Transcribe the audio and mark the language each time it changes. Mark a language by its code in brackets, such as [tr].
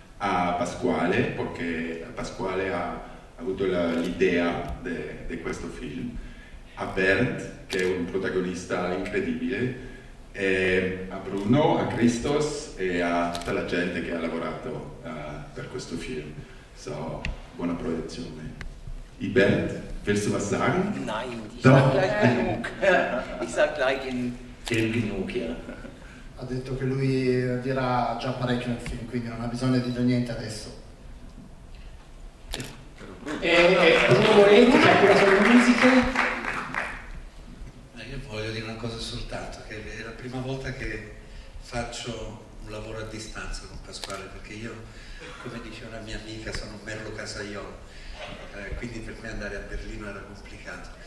[it] A Pasquale, perché Pasquale ha avuto l'idea di questo film. A Bernd, che è un protagonista incredibile. E a Bruno, a Christos e a tutta la gente che ha lavorato per questo film. So, buona proiezione. [de] I Bernd, willst du was sagen? Nein, ich sag gleich genug. Ich sag gleich in film genug, ja. [it] Ha detto che lui dirà già parecchio nel film, quindi non ha bisogno di dire niente adesso. Bruno Moretti, che ha curato le musiche. Io voglio dire una cosa soltanto, che è la prima volta che faccio un lavoro a distanza con Pasquale, perché io, come diceva una mia amica, sono un merlo casaiolo, quindi per me andare a Berlino era complicato.